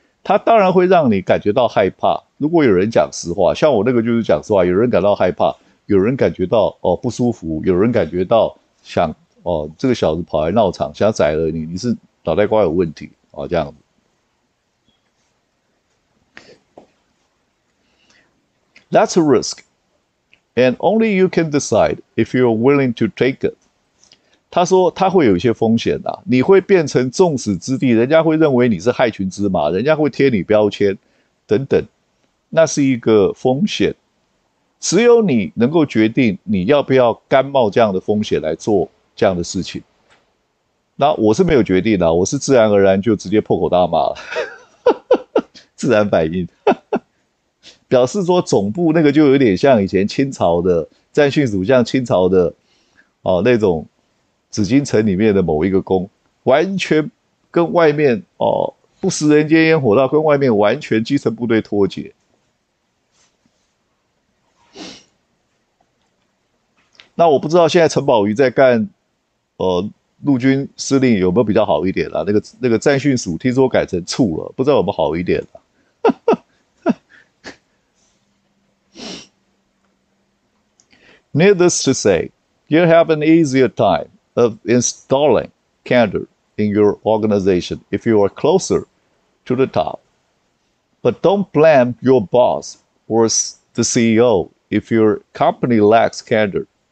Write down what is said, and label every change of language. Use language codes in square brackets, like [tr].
[zh] 他当然会让你感觉到害怕，如果有人讲实话，像我那个就是讲实话，有人感到害怕，有人感觉到，哦，不舒服，有人感觉到想，哦，这个小子跑来闹场，想宰了你，你是脑袋瓜有问题，哦，这样子。 [en] That's a risk, and only you can decide if you're willing to take it. [zh] 他说他会有一些风险啊，你会变成众矢之的，人家会认为你是害群之马，人家会贴你标签等等，那是一个风险，只有你能够决定你要不要甘冒这样的风险来做这样的事情。那我是没有决定的，我是自然而然就直接破口大骂了，自然反应。表示说总部那个就有点像以前清朝的战训署，像清朝的，哦，那种紫禁城里面的某一个宫，完全跟外面，哦，不食人间烟火，到跟外面完全基层部队脱节。那我不知道现在陈宝瑜在干，陆军司令有没有比较好一点啦，啊？那个战训署听说改成处了，不知道有没有好一点啦，啊。 [en] Needless to say, you have an easier time of installing candor in your organization if you are closer to the top. But don't blame your boss or the CEO if your company lacks candor.